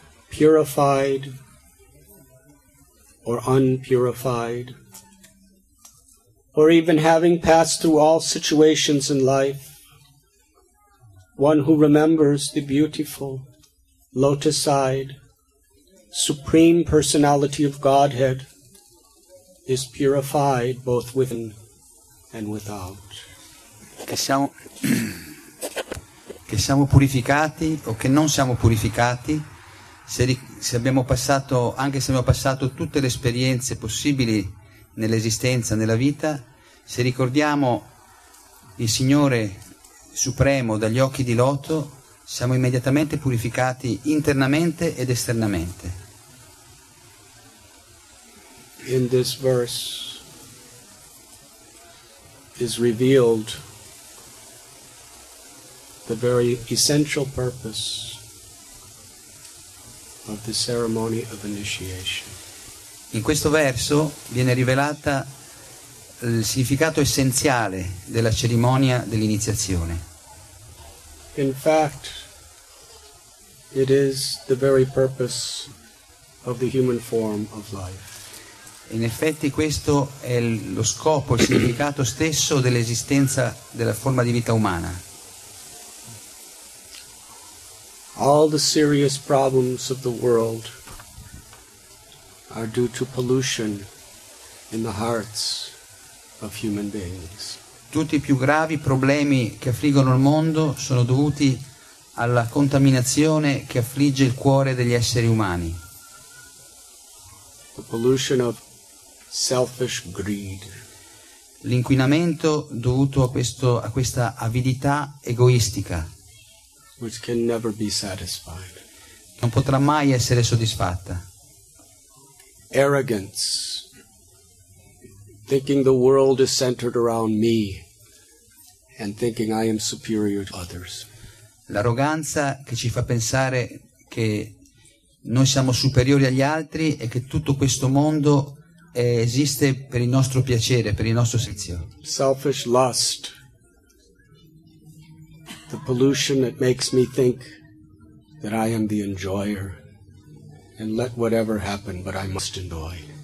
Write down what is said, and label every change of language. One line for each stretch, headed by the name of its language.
English: Purified or unpurified, or even having passed through all situations in life, one who remembers the beautiful, lotus-eyed, supreme personality of Godhead is purified both within and without.
Italian: Che siamo purificati o che non siamo purificati, se abbiamo passato tutte le esperienze possibili nell'esistenza, nella vita, se ricordiamo il Signore Supremo dagli occhi di loto, siamo immediatamente purificati internamente ed esternamente.
English: In this verse is revealed the very essential purpose of the ceremony of initiation.
Italian: In questo verso viene rivelata il significato essenziale della cerimonia dell'iniziazione.
English: In fact, it is the very purpose of the human form of life.
Italian: In effetti questo è lo scopo, il significato stesso dell'esistenza della forma di vita umana.
English: All the serious problems of the world are due to pollution in the hearts of human beings.
Italian: Tutti i più gravi problemi che affliggono il mondo sono dovuti alla contaminazione che affligge il cuore degli esseri umani.
English: The pollution of selfish greed.
Italian: L'inquinamento dovuto a questa avidità egoistica,
English: which can never be satisfied.
Italian: Non potrà mai essere soddisfatta.
English: Arrogance, thinking the world is centered around me and thinking I am superior to others.
Italian: L'arroganza che ci fa pensare che noi siamo superiori agli altri e che tutto questo mondo esiste per il nostro piacere, per il nostro servizio.
English: Selfish lust, the pollution that makes me think that I am the enjoyer and let whatever happen, but I must enjoy.